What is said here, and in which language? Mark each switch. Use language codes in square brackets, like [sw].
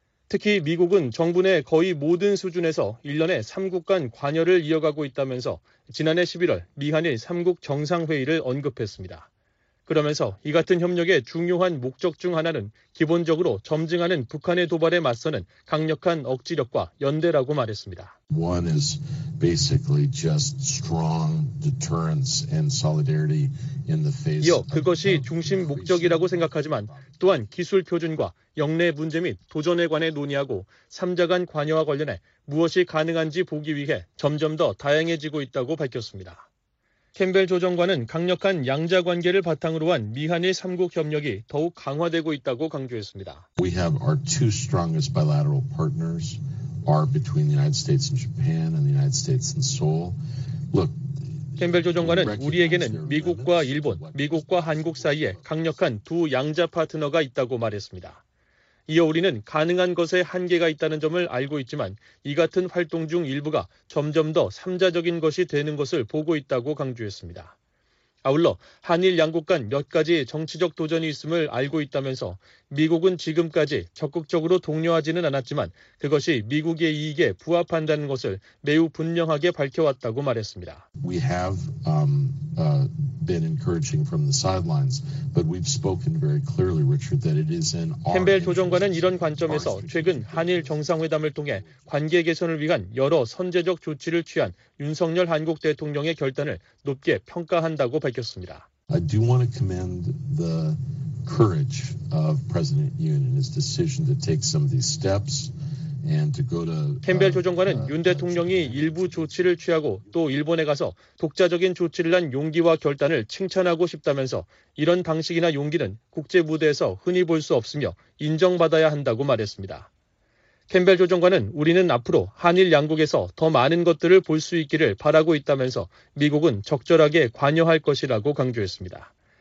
[ko] 특히 미국은 정부 내 거의 모든 수준에서 1년에 3국 간 관여를 이어가고 있다면서 지난해 11월 미한일 3국 정상회의를 언급했습니다. 그러면서 이 같은 협력의 중요한 목적 중 하나는 기본적으로 점증하는 북한의 도발에 맞서는 강력한 억지력과 연대라고 말했습니다. [en] One is basically just strong deterrence and solidarity in the face. [ko] 이어 그것이 중심 목적이라고 생각하지만 또한 기술 표준과 역내 문제 및 도전에 관해 논의하고 3자 간 관여와 관련해 무엇이 가능한지 보기 위해 점점 더 다양해지고 있다고 밝혔습니다. 캠벨 조정관은 강력한 양자 관계를 바탕으로 한 미한일 3국 협력이 더욱 강화되고 있다고 강조했습니다. [en] We have our two strongest bilateral partners are between the United States and Japan and the United States and Seoul. Look, [ko] 캠벨 조정관은 우리에게는 미국과 일본, 미국과 한국 사이에 강력한 두 양자 파트너가 있다고 말했습니다. 이어 우리는 가능한 것에 한계가 있다는 점을 알고 있지만 이 같은 활동 중 일부가 점점 더 3자적인 것이 되는 것을 보고 있다고 강조했습니다. 아울러 한일 양국 간 몇 가지 정치적 도전이 있음을 알고 있다면서 미국은 지금까지 적극적으로 독려하지는 않았지만 그것이 미국의 이익에 부합한다는 것을 매우 분명하게 밝혀왔다고 말했습니다. [en] We have been encouraging from the sidelines, but we've spoken very clearly, Richard, that it is in our. [ko] 캠벨 조정관은 이런 관점에서 최근 한일 정상회담을 통해 관계 개선을 위한 여러 선제적 조치를 취한 윤석열 한국 대통령의 결단을 높게 평가한다고 밝혔습니다. [en] I do want to commend the courage of President Yoon and his decision to take some of these steps. [ko] 캠벨 조정관은 윤 대통령이 일부 조치를 취하고 또 일본에 가서 독자적인 조치를 한 용기와 결단을 칭찬하고 싶다면서 이런 방식이나 용기는 국제 무대에서 흔히 볼 수 없으며 인정받아야 한다고 말했습니다. 캠벨 조정관은 우리는 앞으로 한일 양국에서 더 많은 것들을 볼 수 있기를 바라고 있다면서 미국은 적절하게 관여할 것이라고 강조했습니다.